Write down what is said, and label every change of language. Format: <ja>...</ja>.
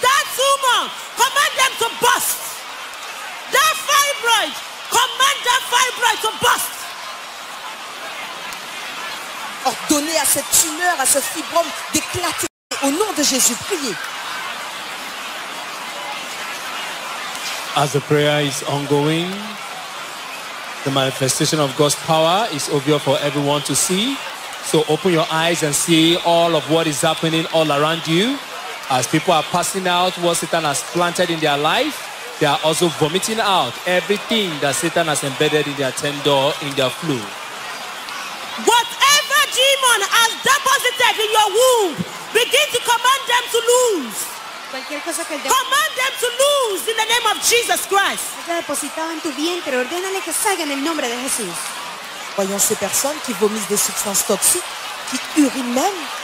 <en>That tumor, command them to bust. That fibroid, command that fibroid to bust.</en> <fr>Ordonnez à cette tumeur, à ce fibrome d'éclater au nom de Jésus. Priez.</fr> <en>As the prayer is ongoing, the manifestation of God's power is obvious for everyone to see. So open your eyes and see all of what is happening all around you. As people are passing out what Satan has planted in their life, they are also vomiting out everything that Satan has embedded in their tendon, in their flu. Whatever demon has deposited in your womb, begin to command them to lose. Command them to lose in the name of Jesus Christ.</en> <es>Depositado en tu vientre, ordénale que salga en el nombre de Jesús.</es> <fr>Voyons ces personnes qui vomissent des substances toxiques, qui urinent même.</fr>